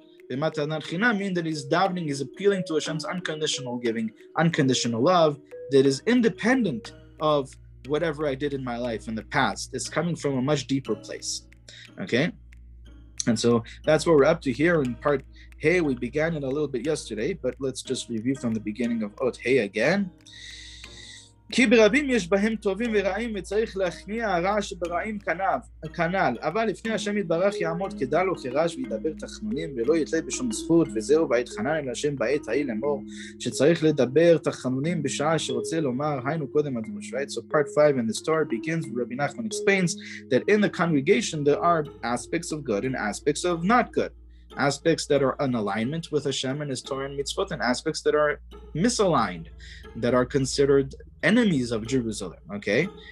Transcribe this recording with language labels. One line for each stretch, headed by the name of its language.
Hebrew: B'matanat chinam
English: means that he's davening, he's appealing to Hashem's unconditional giving, unconditional love, that is independent of whatever I did in my life in the past. It's coming from a much deeper place, okay? And so that's what we're up to here in part Hey. We began it a little bit yesterday, but let's just review from the beginning of Ot Hey again.
Hebrew: כי ברבים יש בהם טובים ורעים וצריך להכניע הרע שברעים כנ"ל אבל לפני השם יתברך יעמוד כדל וכרש וידבר תחנונים ולא יתלה בשום זכות וזהו ויתחנן אל השם בעת ההיא לאמור שצריך לדבר תחנונים בשעה שרוצה לומר היינו קודם אדמו שווייץ.
English: So part 5 in the story begins with Rabbi Nachman explains that in the congregation there are aspects of good and aspects of not good, aspects that are in alignment with Hashem and his Torah and mitzvot, and aspects that are misaligned, that are considered enemies of Jerusalem, okay?